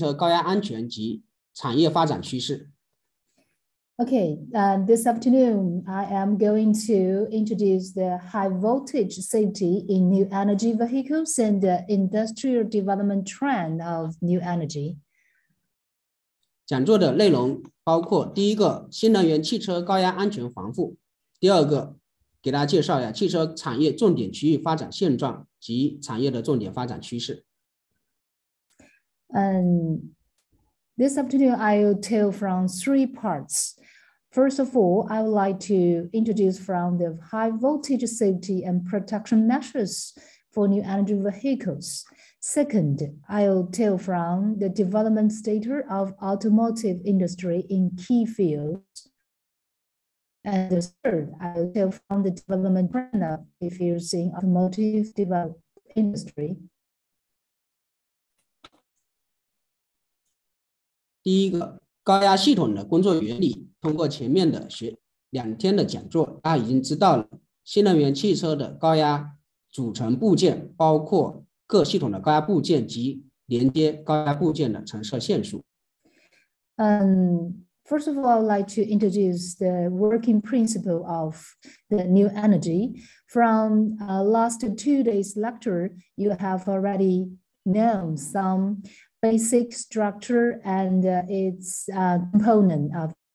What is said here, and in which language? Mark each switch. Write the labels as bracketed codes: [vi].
[zh] 谢谢。好，大家好，今天下午我们讲座的主题是新能源汽车高压安全及产业发展趋势。 [en] Okay, this afternoon, I am going to introduce the high voltage safety in new energy vehicles and the industrial development trend of new energy. [zh] 讲座的内容包括第一个，新能源汽车高压安全防护；第二个，给大家介绍一下汽车产业重点区域发展现状及产业的重点发展趋势。 [en] This afternoon, I will tell from three parts. First of all, I would like to introduce from the high voltage safety and protection measures for new energy vehicles. Second, I'll tell from the development status of automotive industry in key fields. And the third, I'll tell from the development trend of if you're seeing automotive developed industry. [zh] 第一个, 高压系统的工作原理，通过前面的两天的讲座，大家已经知道了新能源汽车的高压组成部件，包括各系统的高压部件及连接高压部件的成色线束。 [en] First of all, I'd like to introduce the working principle of the new energy. From last 2 days lecture, you have already known some basic structure and its component of